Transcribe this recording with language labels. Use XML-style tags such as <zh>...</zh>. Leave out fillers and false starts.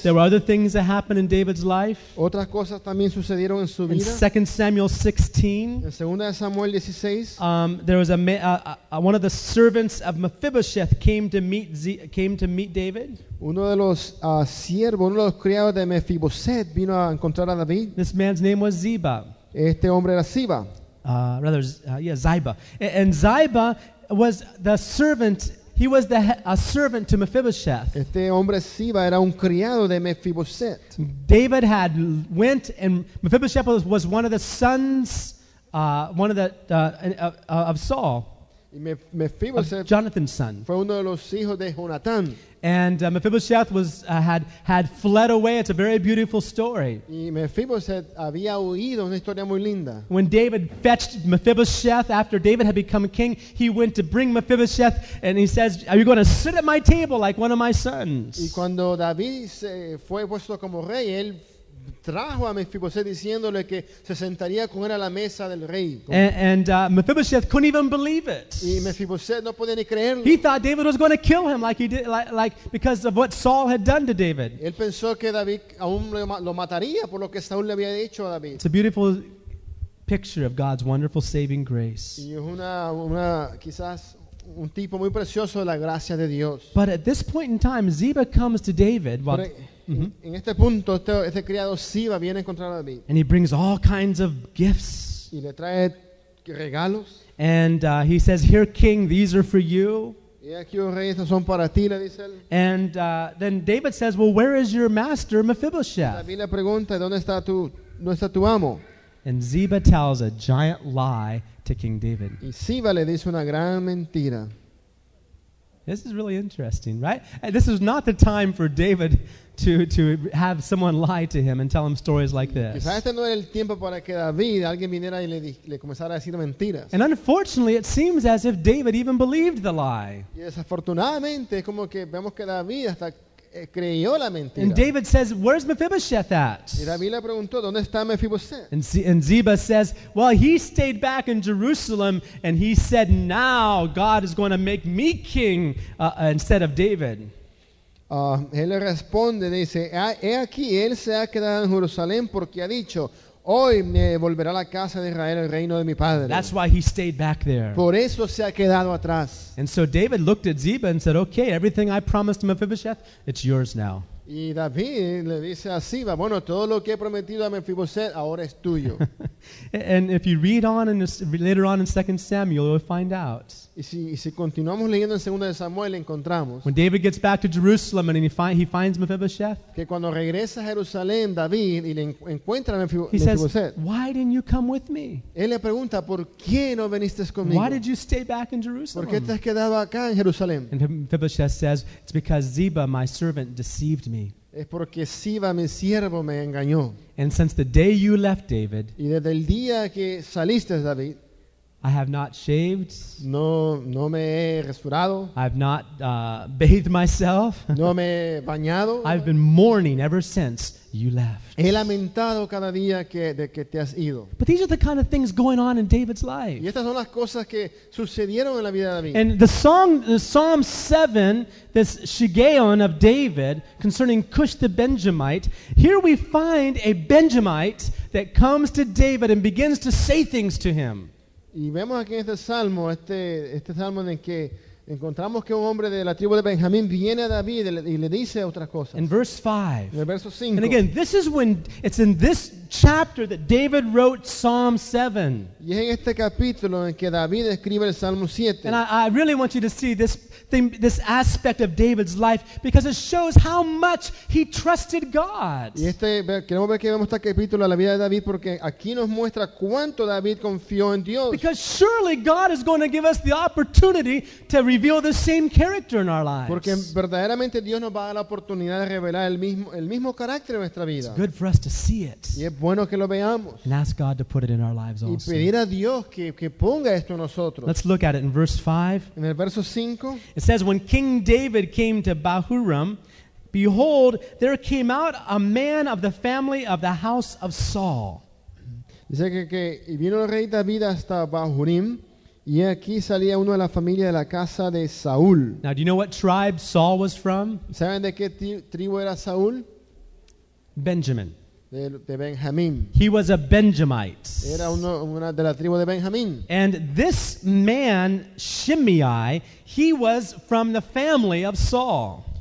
<en>there were other things that happened in David's life.</en> <es>Otras cosas también sucedieron en su vida.</es> <en>In 2 Samuel 16.</en> <es>En segunda de Samuel 16.</es> <en>There was a one of the servants of Mephibosheth came to meet David.</en> <es>Uno de los siervos, uno de los criados de Mefiboset vino a encontrar a David.</es> <en>This man's name was Ziba.</en> <es>Este hombre era Ziba.</es> <en>Ziba. And Ziba was the servant. He was a servant to Mephibosheth.</en> <es>Este hombre Ziba era un criado de Mefiboset.</es> <en>David had went, and Mephibosheth was one of the sons, of Saul. Mephibosheth, Jonathan's son.</en> <es>Fue uno de los hijos de Jonathan.</es> <en>And Mephibosheth was had fled away. It's a very beautiful story.</en> <es>Y Mephibosheth había huido, una historia muy linda.</es> <en>When David fetched Mephibosheth after David had become king, he went to bring Mephibosheth and he says, "Are you going to sit at my table like one of my sons?"</en> <es>Y cuando David se fue puesto como rey, él trajo a Mephibosheth diciéndole que se sentaría con él a la mesa del rey.</es> <en>And Mephibosheth couldn't even believe it.</en> <es>Y Mephibosheth no podía ni creerlo.</es> <en>He thought David was going to kill him like he did, like because of what Saul had done to David.</en> <es>Él pensó que David aún lo mataría por lo que Saúl le había dicho a David.</es> <en>It's a beautiful picture of God's wonderful saving grace.</en> <es>Y es una quizás un tipo muy precioso de la gracia de Dios.</es> <en>But at this point in time, Ziba comes to David.</en> <es>En este punto, este criado Ziba viene a encontrar a David.</es> <en>And he brings all kinds of gifts.</en> <es>Y le trae regalos.</es> <en>And he says, "Here, king, these are for you."</en> <es>Y aquí, oh, rey, estos son para ti, le dice él.</es> <en>And then David says, "Well, where is your master, Mephibosheth?"</en> <es>David le pregunta, "¿Dónde está tu amo?"</es> <en>And Ziba tells a giant lie to King David.</en> <es>Y Ziba le dice una gran mentira.</es> <en>This is really interesting, right? This is not the time for David to have someone lie to him and tell him stories like this. And unfortunately, it seems as if David even believed the lie.</en> <es>Y desafortunadamente, como que vemos que David hasta creyó la mentira.</es> <en>And David says, "Where's Mephibosheth at?"</en> <es>Y David le preguntó, "¿Dónde está Mephibosheth?"</es> <en>And Ziba says, "Well, he stayed back in Jerusalem and he said, 'Now God is going to make me king instead of David.'"</en> <es>Él le responde, dice, "He aquí, él se ha quedado en Jerusalén porque ha dicho, 'Hoy me volverá la casa de Israel el reino de mi padre.'"</es> <en>That's why he stayed back there.</en> <es>Por eso se ha quedado atrás.</es> <en>And so David looked at Ziba and said, "Okay, everything I promised Mephibosheth, it's yours now."</en> <es>Y David le dice a Ziba, "Bueno, todo lo que he prometido a Mephibosheth ahora es tuyo."</es> <en>And if you read on in later on in 2 Samuel, you'll find out.</en> <es>Y si continuamos leyendo en 2 Samuel, encontramos</es> <en>when David gets back to Jerusalem and he finds Mephibosheth,</en> <es>que cuando regresa a Jerusalén David y le encuentra a Mephibosheth,</es> <en>he says, "Why didn't you come with me?"</en> <es>Él le pregunta, "¿Por qué no viniste conmigo?</es> <en>Why did you stay back in Jerusalem?</en> <es>¿Por qué te has quedado acá en Jerusalén?"</es> <en>And Mephibosheth says, "It's because Ziba, my servant, deceived me."</en> <es>Es porque Ziba, mi siervo, me engañó.</es> <en>"And since the day you left, David,</en> <es>y desde el día que saliste, David,</es> <en>I have not shaved.</en> <es>No me he rasurado.</es> <en>I have not bathed myself.</en> <es>No me he bañado.</es> <en>I've been mourning ever since you left."</en> <es>He lamentado cada día que te has ido.</es> <en>But these are the kind of things going on in David's life.</en> <es>Y estas son las cosas que sucedieron en la vida de David.</es> <en>And the Psalm 7, this Shigeon of David concerning Cush the Benjamite, here we find a Benjamite that comes to David and begins to say things to him.</en> <es>Y vemos aquí en este salmo, este salmo en el que encontramos que un hombre de la tribu de Benjamín viene a David y le dice otras cosas.</es> <en>In verse 5.</en> <es>En el verso 5.</es> <en>And again, this is when it's in this chapter that David wrote Psalm 7.</en> <es>Y es en este capítulo en que David escribe el Salmo 7.</es> <en>And I really want you to see this thing, this aspect of David's life, because it shows how much he trusted God.</en> <es>Y queremos ver que vemos este capítulo a la vida de David porque aquí nos muestra cuánto David confió en Dios.</es> <en>Because surely God is going to give us the opportunity to reveal the same character in our lives.</en> <es>Porque verdaderamente Dios nos va a dar la oportunidad de revelar el mismo carácter en nuestra vida.</es> <en>It's good for us to see it.</en> <es>Y es bueno que lo veamos.</es> <en>And ask God to put it in our lives also.</en> <es>Y pedir a Dios que ponga esto en nosotros.</es> <en>Let's look at it in verse 5.</en> <es>En el verso 5.</es> <en>It says, "When King David came to Bahurim, behold, there came out a man of the family of the house of Saul.</en> <es>Dice que vino el rey David hasta Bahurim, y aquí salía uno de la familia de la casa de Saúl.</es> <en>Now, do you know what tribe Saul was from?</en> <es>¿Saben de qué tribu era Saúl?</es> <en>Benjamin.</en> <es>De Benjamín.</es> <en>He was a Benjamite.</en> <es>Era una de la tribu de Benjamín.</es> <en>And this man, Shimei, he was from the family of Saul.</en>